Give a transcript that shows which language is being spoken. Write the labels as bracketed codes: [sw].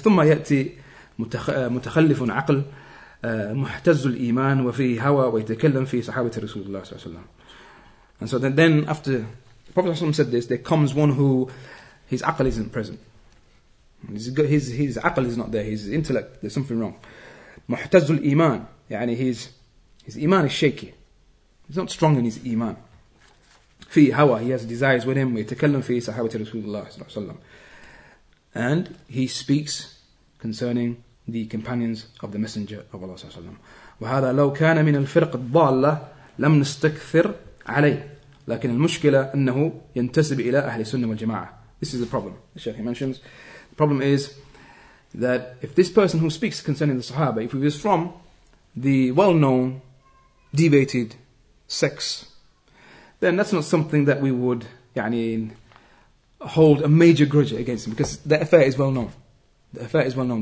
[ar] ثم يأتي متخلف عقل محتز الإيمان وفي هوى ويتكلم في صحابة رسول الله صلى الله عليه وسلم. [en] And so then after the Prophet said this, there comes one who his aql isn't present. His aql is not there. His intellect, there's something wrong. [ar] محتز الإيمان. يعني [en] his إيمان is shaky. He's not strong in his إيمان. [ar] في هوى. [en] He has desires with him. [ar] ويتكلم في صحابة رسول الله صلى الله عليه وسلم. [en] And he speaks concerning the companions of the Messenger of Allah [ar] صلى الله عليه وسلم. وهذا لو كان من الفرق الضالة لم نستكثر عليه. لكن المشكلة أنه ينتسب إلى أهل السنة والجماعة. [en] This is the problem. The Sheikh mentions. The problem is that if this person who speaks concerning the Sahaba, if he was from the well-known deviated sects, then that's not something that we would hold a major grudge against him, because the affair is well known. The affair is well known.